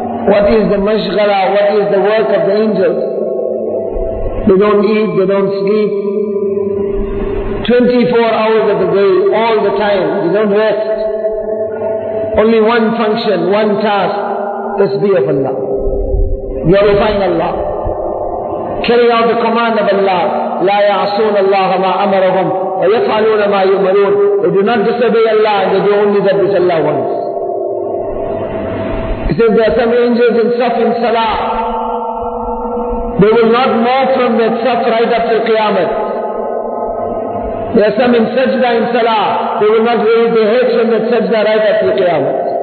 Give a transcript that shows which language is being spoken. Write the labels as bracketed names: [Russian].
[English] What is the mashghala? What is the work of the angels? They don't eat, they don't sleep. 24 hours of the day, all the time, they don't rest. Only one function, one task, tasbih of Allah. Glorifying Allah. Carrying out the command of Allah. [Arabic] لا يعصون الله ما أمرهم ويفعلون ما يؤمرون. [English] They do not disobey Allah, they do only that which Allah wants. He says there are some angels in Saf and Salah. They will not move from that Saf right up till Qiyamah. There are some in Sajda and Salah. They will not raise their heads from that Sajda right up till Qiyamah.